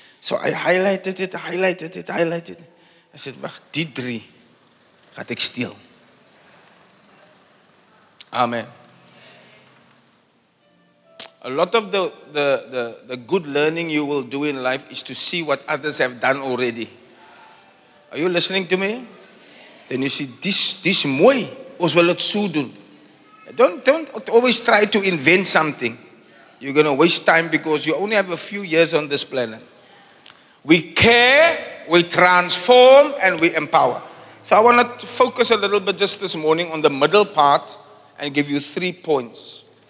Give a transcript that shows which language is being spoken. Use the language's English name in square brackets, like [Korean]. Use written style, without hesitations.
[English] So I highlighted it. I said, [Afrikaans] wacht, die drie gaat ek steal. [English] Amen. A lot of the good learning you will do in life is to see what others have done already. Are you listening to me? Then you see, [Afrikaans] dis mooi, ons wil het so doen. [English] Don't always try to invent something. You're going to waste time because you only have a few years on this planet. We care, we transform, and we empower. So I want to focus a little bit just this morning on the middle part and give you 3 points.